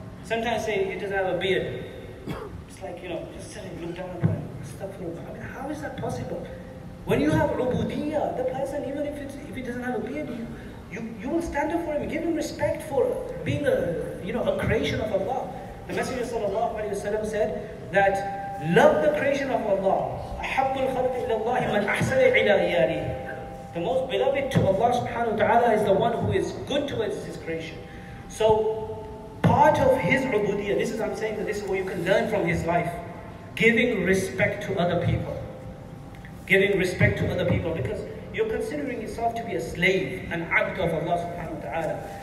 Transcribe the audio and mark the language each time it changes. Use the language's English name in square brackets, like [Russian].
[English] Sometimes say he doesn't have a beard. It's like, you know, just sitting, look down at him, stuff. I mean, how is that possible? When you have rubudiya, the person, even if he doesn't have a beard, you will stand up for him, give him respect for being a creation of Allah. The Messenger sallallahu alayhi wa sallam said that love the creation of Allah. [Arabic] أحب الخلق إلى الله من أحسن إلى عياله. [English] The most beloved to Allah subhanahu wa ta'ala is the one who is good towards his creation. So part of his ubudiyya, this is I'm saying that this is what you can learn from his life. Giving respect to other people. Giving respect to other people because you're considering yourself to be a slave, an abd of Allah subhanahu wa ta'ala.